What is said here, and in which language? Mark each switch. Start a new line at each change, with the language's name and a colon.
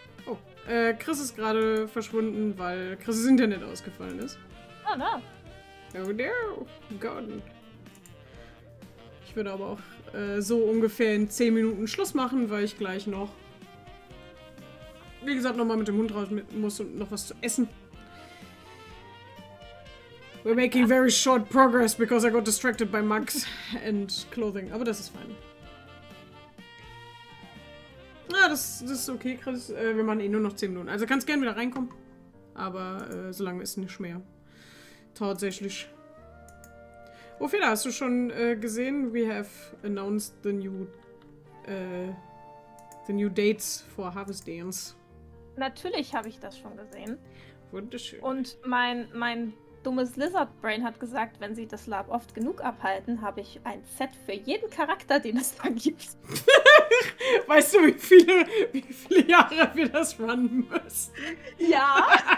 German: Oh, Chris ist gerade verschwunden, weil Chris' Internet ausgefallen ist.
English: Oh, no. Oh, no. God.
German: Ich würde aber auch so ungefähr in 10 Minuten Schluss machen, weil ich gleich noch, wie gesagt, nochmal mit dem Hund raus muss und noch was zu essen.
English: We're making very short progress because I got distracted by mugs and clothing.
German: Aber das ist fine. Ja, das ist okay, Chris. Wir machen eh nur noch 10 Minuten. Also kannst gerne wieder reinkommen. Aber solange ist nicht mehr. Tatsächlich. Ophelia, hast du schon gesehen?
English: We have announced the new dates for Harvest Dance.
German: Natürlich habe ich das schon gesehen. Wunderschön. Und mein dummes Lizard Brain hat gesagt, wenn sie das Lab oft genug abhalten, habe ich ein Set für jeden Charakter, den es da gibt. Weißt du, wie viele Jahre wir das runnen müssen? Ja.